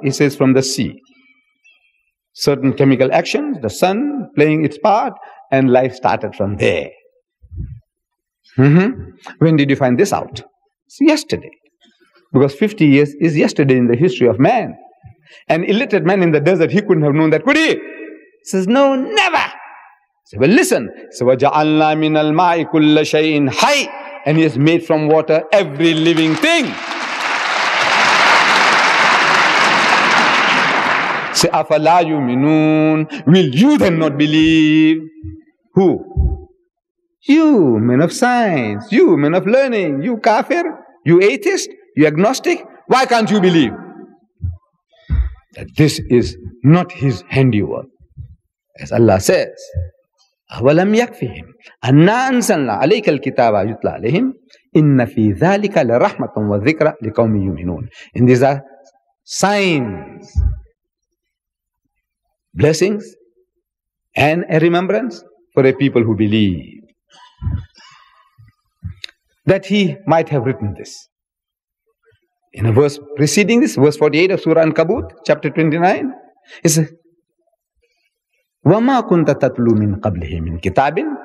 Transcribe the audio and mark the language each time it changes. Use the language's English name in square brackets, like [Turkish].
[English] He says, from the sea. Certain chemical actions, the sun playing its part, and life started from there. When did you find this out? It's yesterday. Because 50 years is yesterday in the history of man. An illiterate man in the desert, he couldn't have known that, could he? He says, no, never. He says, well, listen. He says, [Arabic] وَجَعَلْنَا مِنَ الْمَاءِ كُلَّ شَيْءٍ حَيٍّ. [English] And he has made from water every living thing. Say, [Arabic] أَفَلَا يُؤْمِنُونَ. [English] Will you then not believe? Who? You, men of science. You, men of learning. You, kafir. You, atheist. You, agnostic. Why can't you believe? That this is not his handiwork. As Allah says, [Arabic] أَوَلَمْ يَكْفِهِمْ أَنَّا أَنزَلْنَا عَلَيْكَ الْكِتَابَ يُتْلَى عَلَيْهِمْ إِنَّ فِي ذَلِكَ لَرَحْمَةً وَذِكْرَ لِقَوْمِ يُؤْمِنُونَ. [English] And these are signs, blessings, and a remembrance for a people who believe. That he might have written this. In a verse preceding this, verse 48 of Surah An-Kabut, chapter 29, is a [Arabic] وَمَا كُنْتَ تَتْلُو مِنْ قَبْلِهِ مِنْ كِتَابٍ.